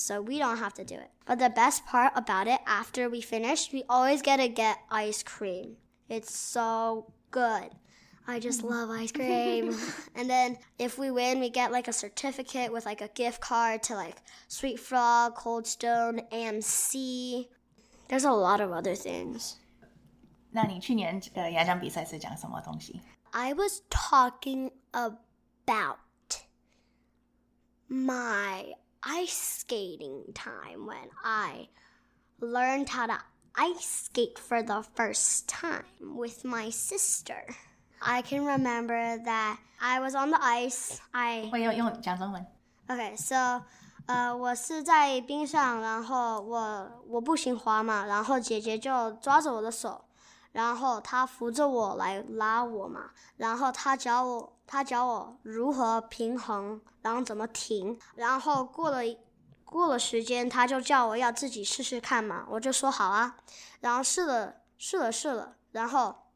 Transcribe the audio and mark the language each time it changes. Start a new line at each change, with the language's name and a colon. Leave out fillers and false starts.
English: So we don't have to do it. But the best part about it, after we finish, we always get to get ice cream. It's so good. I just love ice cream. And then if we win, we get like a certificate with like a gift card to like Sweet Frog, Cold Stone, AMC. There's a lot of other things.
Chinese: 那你去年的演讲比赛是讲什么东西?
English: I was talking about my ice skating time when I learned how to ice skate for the first time with my sister. I can remember that I was on the ice. Okay, so
Chinese: 我是在冰上，然后我不行滑嘛，然后姐姐就抓着我的手，然后她扶着我来拉我嘛，然后她教我如何平衡，然后怎么停，然后过了时间，她就叫我要自己试试看嘛，我就说好啊，然后试了，然后。